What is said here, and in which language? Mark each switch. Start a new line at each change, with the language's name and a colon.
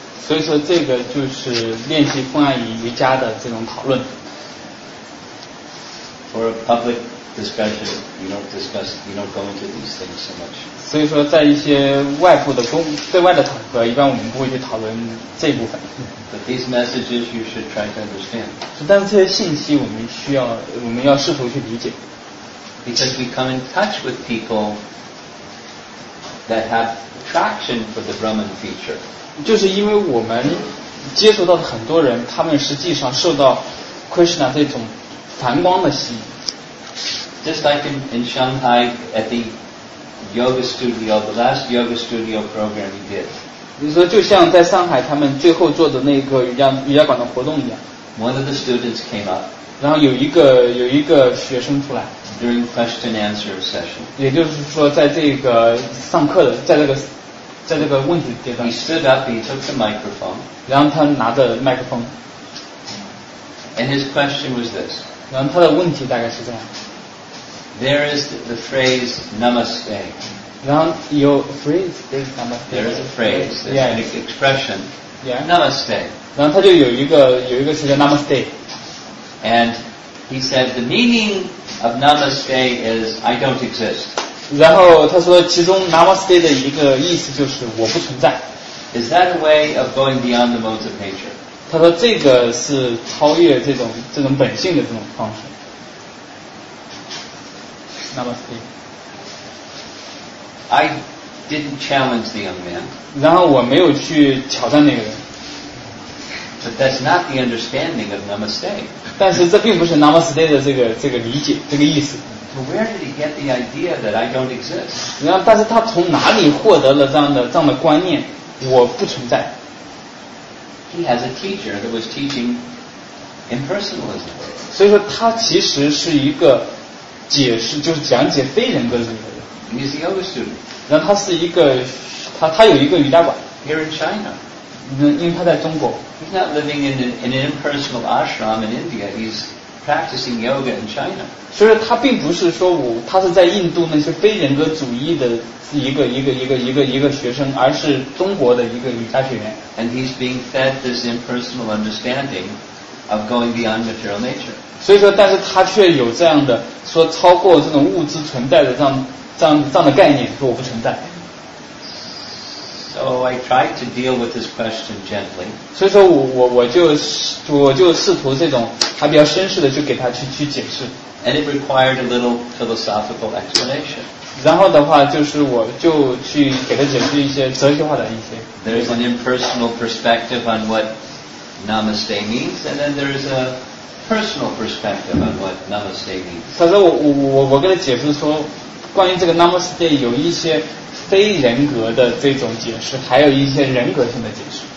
Chinese: 所以说这个就是练习奉爱瑜伽的这种讨论。
English: For a public discussion, you don't discuss, you don't go into these things so much.
Chinese: 所以说在一些外部的公对外的场合，一般我们不会去讨论这部分。
English: But these messages you should try to understand.
Chinese: 但是这些信息我们需要，我们要试图去理解。
English: Because we come in touch with people. That have attraction for the Brahman feature.
Chinese: 就是因为我们接触到的很多人，他们实际上受到 Krishna 这种梵光的吸引。
English: Just like in Shanghai at the yoga studio, the last yoga studio program we did.
Chinese: 你说就像在上海他们最后做的那个瑜伽馆的活动一样。
English: One of the students came up.
Chinese: 然后有一个学生出来。
English: During question answer session.
Chinese: 也就是说在这个上课的在这个问题阶段。
English: He stood up, he took the microphone.
Chinese: 然后他拿着麦克风。
English: And his question was this.
Chinese: 然后他的问题大概是这样。
English: There is the phrase namaste.
Chinese: 然后有
English: phrase, there is
Chinese: namaste.
English: There is a phrase, there's an expression. Yeah. Namaste.
Chinese: 然后他就有一个词叫 namaste.
English: And he said the meaning of namaste is I don't exist.
Chinese: 然后他说其中 namaste 的一个意思就是我不存在。
English: Is that a way of going beyond the modes of nature?
Chinese: 他说这个是超越这种本性的这种方式。
English: Namaste. I didn't challenge the young man.
Chinese: 然后我没有去挑战那个人。
English: But that's not the understanding of namaste.
Chinese: 但是这并不是 namaste 的这个理解这个意思。
English: But where did he get the idea that I don't exist?
Chinese: 然后但是他从哪里获得了这样的观念，我不存在。
English: He has a teacher that was teaching impersonalism.
Chinese: 所以说他其实是一个解释就是讲解非人格主义的人。
English: He's a yoga student.
Chinese: 然后他是一个他有一个瑜伽馆。
English: Here in China.
Chinese: 因为他在中国。
English: He's not living in an impersonal ashram in India. He's practicing yoga in China.
Chinese: 所以他并不是说他是在印度那些非人格主义的一个学生，而是中国的一个瑜伽学员。
English: And he's being fed this impersonal understanding of going beyond material nature.
Chinese: 所以说，但是他却有这样的说超过这种物质存在的这样的概念，说我不存在。
English: So I tried to deal with this question gently.
Chinese: 所以说我就试图这种还比较绅士的就给他去解释。
English: And it required a little philosophical explanation.
Chinese: 然后的话就是我就去给他解释一些哲学化的一些。
English: There is an impersonal perspective on what namaste means, and then there is a personal perspective on what namaste means.
Chinese: 他说我跟他解释说，关于这个 namaste 有一些。非人格的这种解释，还有一些人格性的解释。